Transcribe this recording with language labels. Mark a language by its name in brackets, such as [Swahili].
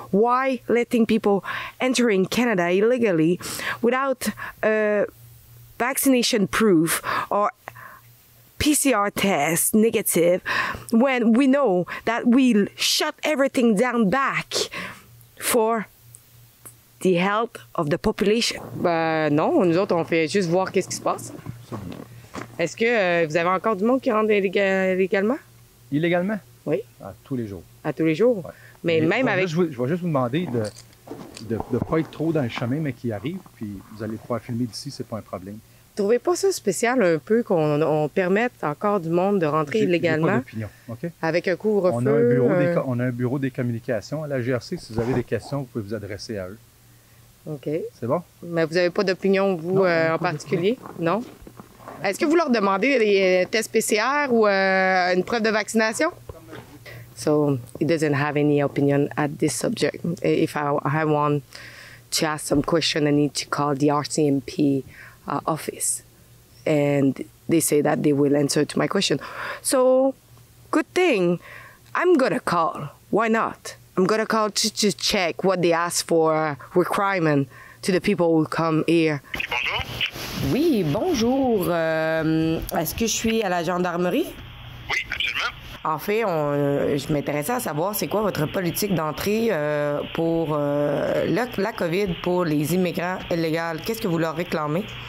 [English] Why letting people entering Canada illegally without a vaccination proof or PCR test negative when we know that we'll shut everything down back for the health of the population? [French] Non, nous autres, on fait juste voir qu'est-ce qui se passe. Est-ce que vous avez encore du monde qui rentre illégalement? Illégalement? Oui. À tous les jours. À tous les jours? Ouais. Mais même avec... Je vais juste vous demander de de pas être trop dans le chemin, mais qui arrive, puis vous allez pouvoir filmer d'ici, c'est pas un problème. Trouvez pas ça spécial un peu qu'on permette encore du monde de rentrer illégalement? J'ai pas d'opinion, OK? Avec un couvre-feu? On a un bureau des communications à la GRC. Si vous avez des questions, vous pouvez vous adresser à eux. OK. C'est bon? Mais vous avez pas d'opinion, vous, non, en particulier? Non? Est-ce que vous leur demandez des tests PCR ou une preuve de vaccination? [English] So, he doesn't have any opinion at this subject. If I want to ask some question, I need to call the RCMP office. And they say that they will answer to my question. So, good thing. I'm gonna call. Why not? I'm gonna call to check what they ask for requirement to the people who come here. [French] Oui, bonjour. Est-ce que je suis à la gendarmerie? Oui, absolument. En fait, je m'intéressais à savoir c'est quoi votre politique d'entrée pour la COVID pour les immigrants illégaux. Qu'est-ce que vous leur réclamez?